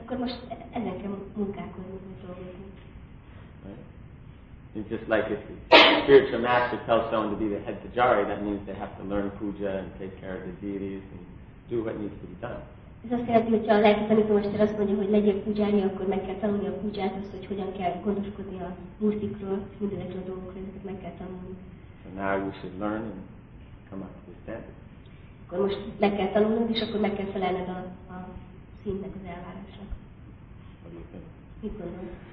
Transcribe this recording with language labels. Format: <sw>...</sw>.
<hu>Akkor most ennek kell munkálkodni, hogy dolgozni.</hu> <en>It's just like if the spiritual master tells someone to be the head pujari, that means they have to learn puja and take care of the deities and do what needs to be done.</en> <hu>Ez azt jelenti, hogyha a lelki tanítómester azt mondja, hogy legyél pujári, akkor meg kell tanulni a pujját, azt, hogy hogyan kell gondoskodni a murtikról, mindenekről a dolgokról, ezeket meg kell tanulni.</hu> <en>So now you should learn and come up to the standard.</en> <hu>Akkor most meg kell tanulnod, és akkor meg kell felelned a színnek az elvárásnak. Mit gondolom?</hu>